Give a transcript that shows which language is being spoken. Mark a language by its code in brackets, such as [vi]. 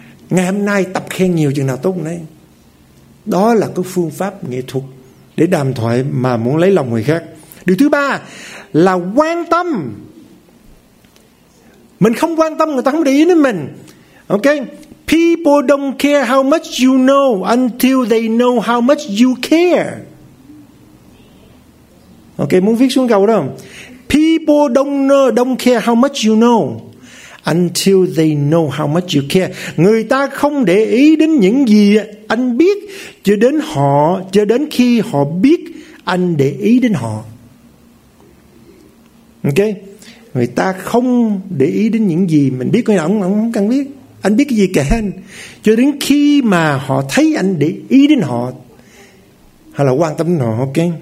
[vi] Ngày hôm nay tập khen nhiều chừng nào tốt đấy. Đó là cái phương pháp nghệ thuật để đàm thoại mà muốn lấy lòng người khác. Điều thứ ba là quan tâm. Mình không quan tâm, người ta không để ý đến mình. Ok. [en] People don't care how much you know until they know how much you care. [vi] Ok, muốn viết xuống câu đó không? [en] People don't care how much you know until they know how much you care. [vi] Người ta không để ý đến những gì anh biết cho đến khi họ biết anh để ý đến họ. Ok. Người ta không để ý đến những gì mình biết, coi ổng không cần biết. Anh biết cái gì kể anh, cho đến khi mà họ thấy anh để ý đến họ hay là quan tâm đến họ. Ok.